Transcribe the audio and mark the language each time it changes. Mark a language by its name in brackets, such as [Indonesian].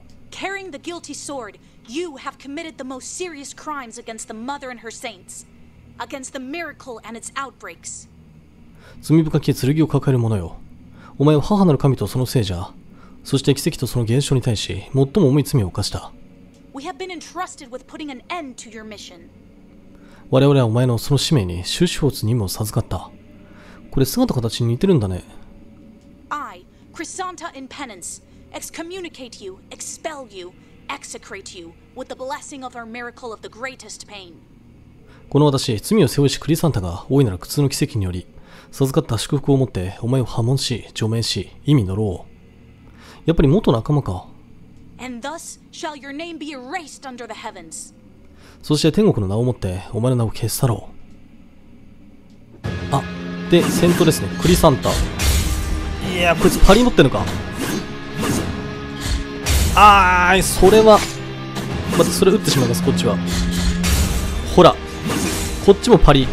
[English] Carrying the guilty sword, you have committed the most serious crimes against the mother and her saints, against the miracle and its outbreaks. [Japanese] 罪深き剣を抱える者よ。お前は母なる神とその聖者。そして奇跡とその現象に対し最も重い罪を犯した。 [English] We have been entrusted with putting an end to your mission. [Japanese] 我々はお前のその使命に終止符を打つ任務を授かった。これ姿形に似てるんだね。 [English] I, Crisanta in penance, excommunicate you, expel you, execrate you with the blessing of our miracle of the greatest pain. [Japanese] この私、罪を背負いしクリサンタが大いなる苦痛の奇跡により授かった祝福をもってお前を破門し、除名し、忌み呪おう。やっぱり元仲間か。 [English] And thus shall your name be erased under the heavens. [Japanese] そして天国の名をもってお前の名を消し去ろう。あ、で、戦闘ですね。クリサンタ。いや、こいつパリ持ってるのか。あーい、それは待って、それ撃ってしまいます。こっちはほら、こっちもパリ。